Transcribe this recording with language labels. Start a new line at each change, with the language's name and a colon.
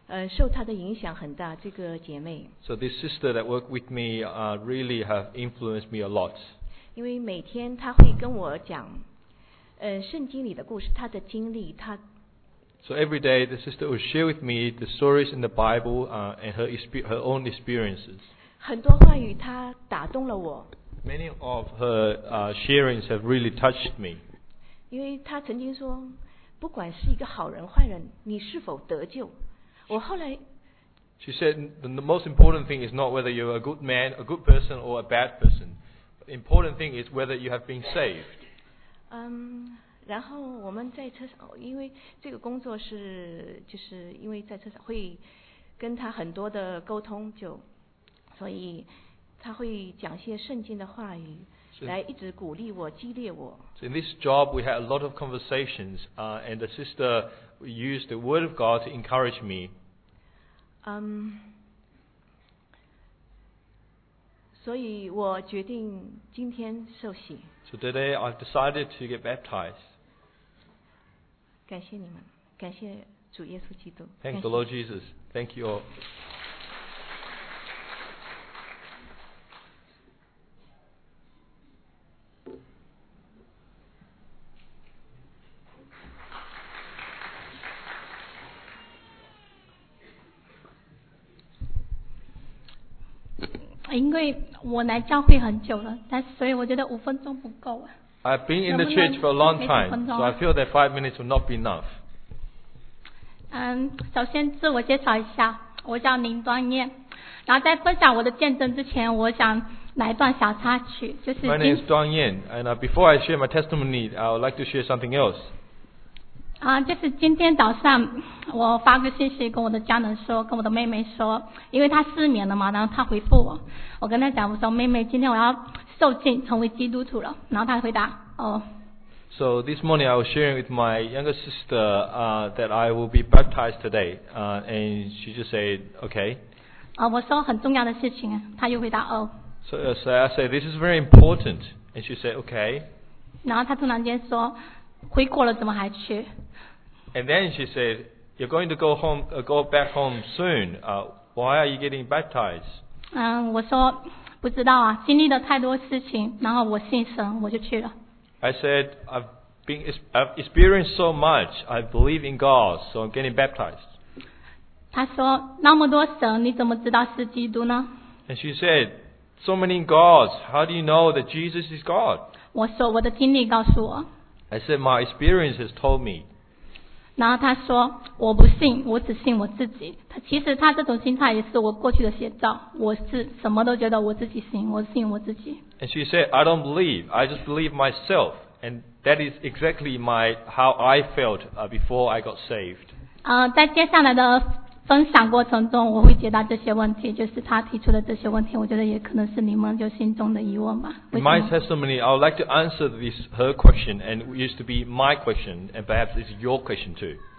Chinese: 受他的影响很大，这个姐妹。
English: So this sister that worked with me, really have influenced me a lot.
Chinese: 因为每天他会跟我讲，圣经里的故事，他的经历，他。
English: So every day, the sister would share with me the stories in the Bible, and her own experiences.
Chinese: 很多话语她打动了我。
English: Many of her sharings have really touched me.
Chinese: 因为她曾经说，不管是一个好人坏人，你是否得救。我后来。
English: She said the most important thing is not whether you're a good man, a good person, or a bad person. The important thing is whether you have been saved.
Chinese: 然后我们在车上，因为这个工作是，就是因为在车上会跟他很多的沟通，就所以他会讲些圣经的话语，来一直鼓励我，激励我。
English: So in this job, we had a lot of conversations, and the sister used the word of God to encourage me.
Chinese: 所以我决定今天受洗。
English: So today I've decided to get baptized.
Chinese: 感谢你们，感谢主耶稣基督。
English: Thank the Lord Jesus. Thank you all.
Chinese: 因为我来教会很久了，但所以我觉得五分钟不够啊。
English: I've been in the church for a long time, so I feel that 5 minutes will not be enough.
Chinese: 首先自我介绍一下，我叫林端燕。然后在分享我的见证之前，我想来一段小插曲，就是。
English: My name is 端燕, and before I share my testimony, I would like to share something else.
Chinese: 就是今天早上我发个信息跟我的家人说，跟我的妹妹说，因为她失眠了嘛，然后她回复我，我跟她讲，我说妹妹，今天我要。受浸成为基督徒了，然后他回答，哦。
English: So this morning I was sharing with my younger sister, that I will be baptized today, and she just said, okay.
Chinese: 我说很重要的事情，他又回答，哦。
English: So I said, this is very important, and she said, okay.
Chinese: 然后他突然间说，回国了怎么还去
English: ？And then she said, you're going to go home, go back home soon. Why are you getting baptized?
Chinese: 我说。不知道啊，经历了太多事情，然后我信神，我就去了。
English: I said I've experienced so much. I believe in God, so I'm getting baptized.
Chinese: 他说那么多神，你怎么知道是基督呢
English: ？And she said, so many gods. How do you know that Jesus is God?
Chinese: 我说我的经历告诉我。
English: I said my experience has told me.
Chinese: 然后他说我不信，我只信我自己。其实他这种心态也是我过去的写照，我是什么都觉得我自己行，我信我自己。
English: And she said, I don't believe, I just believe myself, and that is exactly how I felt before I got saved.
Chinese: 在接下来的分享过程中，我会解答这些问题，就是他提出的这些问题，我觉得也可能是你们就心中的疑问吧。
English: In my testimony, I would like to answer this her question, and it used to be my question, and perhaps it's your question too.